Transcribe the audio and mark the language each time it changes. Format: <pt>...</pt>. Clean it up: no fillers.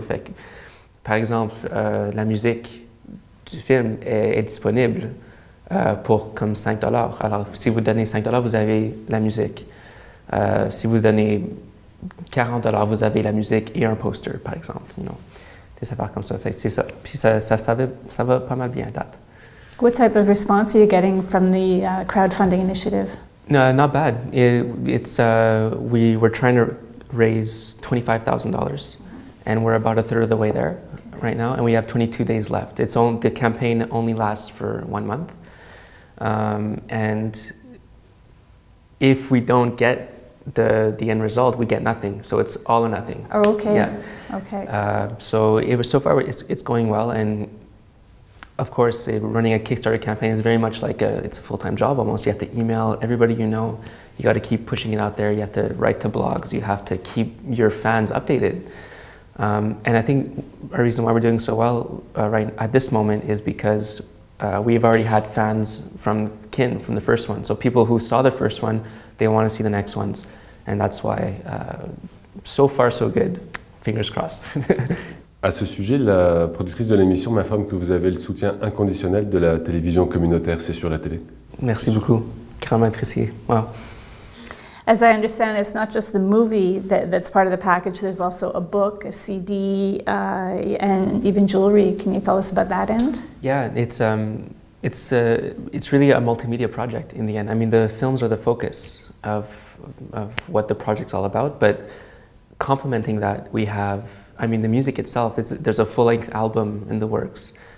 <fr>Fait que, par exemple, la musique du film est disponible pour comme 5 $. Alors, si vous donnez 5 $, vous avez la musique. Si vous donnez 40 $, vous avez la musique et un poster, par exemple.</fr> <en>You know,</en> <fr>des affaires comme ça. Fait que c'est ça. Puis ça va pas mal bien à date.</fr> <en>What type of response are you getting from the crowdfunding initiative? No, not bad. We were trying to raise $25,000, and we're about a third of the way there right now, and we have 22 days left. The campaign only lasts for 1 month. And if we don't get the end result, we get nothing. So it's all or nothing. Oh, okay. Yeah. Okay. So far it's going well, and of course, running a Kickstarter campaign is very much like it's a full-time job almost. You have to email everybody you know. You got to keep pushing it out there. You have to write to blogs. You have to keep your fans updated. And I think a reason why we're doing so well right at this moment is because we've already had fans from Kin, from the first one. So people who saw the first one, they want to see the next ones. And that's why, so far, so good. Fingers crossed.</en> <fr>À ce sujet, la productrice de l'émission m'informe que vous avez le soutien inconditionnel de la télévision communautaire, c'est sur la télé. Merci beaucoup. Grandement apprécié. Wow.</fr> <en>As I understand, it's not just the movie that's part of the package, there's also a book, a CD, and even jewelry. Can you tell us about that end? Yeah, it's really a multimedia project in the end. I mean, the films are the focus of what the project's all about, but complementing that, we have, I mean, the music itself, there's a full-length album in the works.</en>